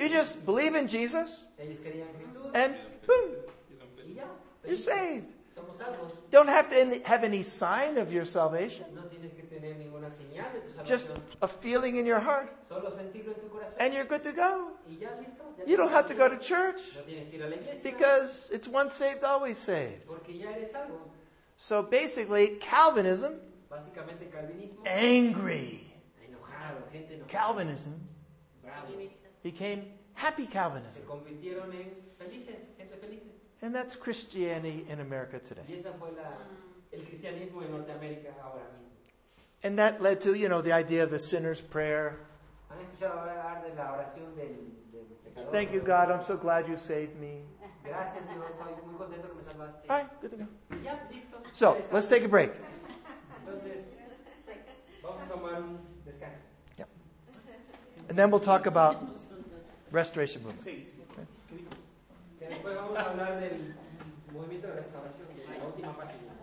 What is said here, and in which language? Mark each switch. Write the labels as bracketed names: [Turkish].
[English] You just believe in Jesus. [Spanish] Ellos creían en Jesús. [English] And boom. [Spanish] Y ya, [English] you're saved. [Spanish] Somos salvos. [English] Don't have to have any sign of your salvation. [Spanish] No tienes que tener ninguna señal de tu salvación. [English] Just a feeling in your heart. [Spanish] Solo sentirlo en tu corazón. [English] And you're good to go. [Spanish] Y ya, listo. [English] You don't have to go to church. [Spanish] No tienes que ir a la iglesia. [English] Because it's once saved, always saved. [Spanish] Porque ya eres salvo. [English] So basically, Calvinism, [Spanish] básicamente Calvinismo, [English] angry, [Spanish] enojado, gente enojada, [English] Calvinism, [Spanish] bravo, [English] became happy Calvinism. [Spanish] Se convirtieron en felices, gente felices. [English] And that's Christianity in America today. [Spanish] Y esa fue el cristianismo en Norteamérica ahora mismo. [English] And that led to, you know, the idea of the sinner's prayer. [Spanish] ¿Han escuchado hablar de la oración del pecador? [English] Thank you, God, I'm so glad you saved me. [Spanish] Gracias, Dios, estoy muy contento que me salvaste. [English] All right, good to go. [Spanish] Ya, listo. [English] So, let's take a break. [Spanish] Entonces, vamos a tomar un descanso. [English] Yep. And then we'll talk about restoration movement. [Spanish] Sí. Después vamos a hablar del movimiento de restauración de la última página.